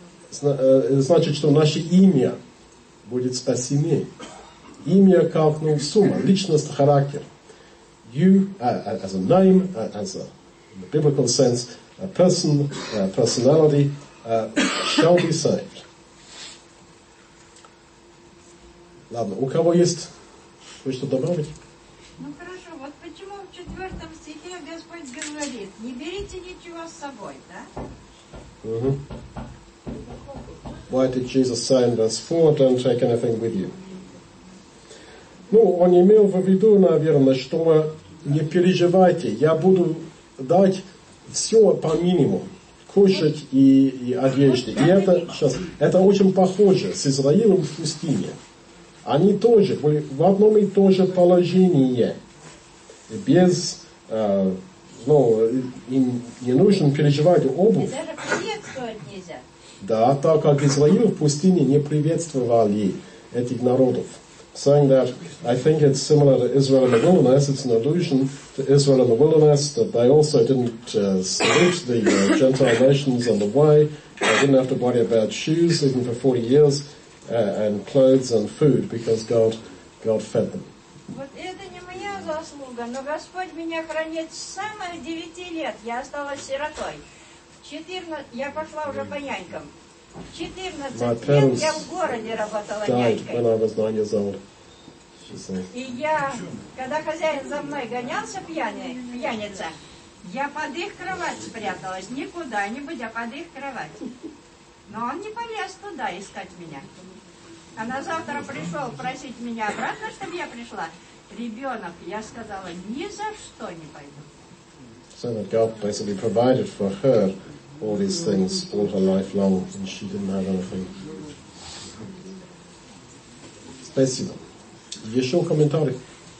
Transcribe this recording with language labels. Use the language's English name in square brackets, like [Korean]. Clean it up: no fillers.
[Russian] Значит, что наше имя будет спасено. Имя как сумма, личность, характер. [English] You, as a name, as a, in the biblical sense, a person, personality, shall be saved. [Russian] Ладно, у кого есть? Хочешь что-то добавить? Ну хорошо, вот почему в 4 стихе Господь говорит, не берите ничего с собой, да? Угу. [English] Why did Jesus say in verse 4, don't take anything with you? [Russian] Ну, он имел в виду, наверное, что не переживайте, я буду дать все по минимуму. Кушать и одежды. И это сейчас это очень похоже с Израилем в пустыне. Они тоже были в одном и том же положении. Без, ну, им не нужно переживать обувь. И даже приветствовать нельзя. Да, так как Израиль в пустыне не приветствовали этих народов. [English] Saying that, I think it's similar to Israel in the wilderness, it's an allusion to Israel in the wilderness, that they also didn't salute the Gentile nations on the way, they didn't have to worry about shoes, even for 40 years, and clothes and food, because God fed them. [Russian] Вот это не моя заслуга, но Господь меня хранит с самых 9 лет, я осталась сиротой. Я пошла уже по нянькам. [English] My parents died when I was 9 years old. She said. [Russian] И я, когда хозяин за мной гонялся пьяница, я под их кровать спряталась, не куда-нибудь, а под их кровать. Но он не полез туда искать меня. А на завтра пришел просить меня обратно, чтобы я пришла. Ребенок, я сказала, ни за что не пойду. [English] So that God basically provided for her. All these things all her life long, and she didn't have anything. [Russian] Спасибо. Еще комментарий?